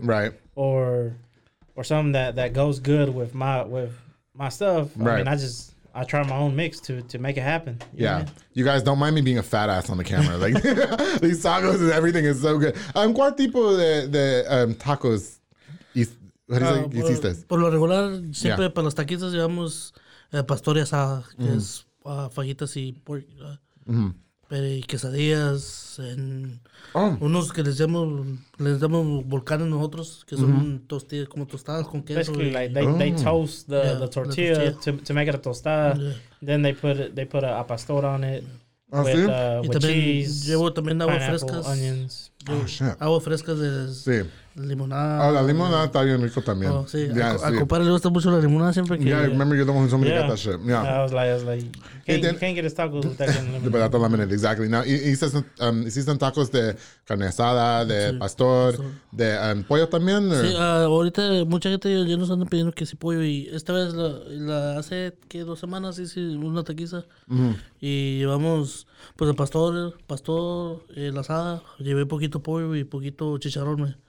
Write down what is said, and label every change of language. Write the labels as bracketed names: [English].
[English] right? Or some that goes good with my stuff. Right. I mean, I try my own mix to make it happen. You guys don't mind me being a fat ass on the camera. Like these tacos and everything is so good. [Spanish] ¿Cuál tipo de tacos? [English] What is it? Hiciste? [Spanish] Por lo regular, siempre para los taquitos llevamos pastor y asada, que es fajitas y pork, pero y quesadillas, unos que les llamamos volcanes nosotros, que son tostadas, como tostadas con queso. [English] Basically, they toast the tortilla to make it a tostada, then they put a pastor on it with cheese, [Spanish] llevo también agua frescas, [English] onions. Oh, shit. [Spanish] Agua fresca de limonada. Oh, la limonada está bien rico también. Oh, sí. Yeah, a compadre le gusta mucho la limonada siempre que... [English] Yeah, I remember you're the one who told me to get that shit. Yeah. I was like, you can't get his tacos with that kind of limonada. But I told him in it, exactly. [Spanish] Now, ¿hiciste tacos de carne asada, de pastor, de pollo también? [English] Or? [Spanish] Sí, ahorita mucha gente ya nos anda pidiendo que si pollo y esta vez hace, ¿qué, 2 semanas? Hice una taquiza y llevamos, pues, el pastor, la asada, llevé poquito pollo y poquito chicharrón.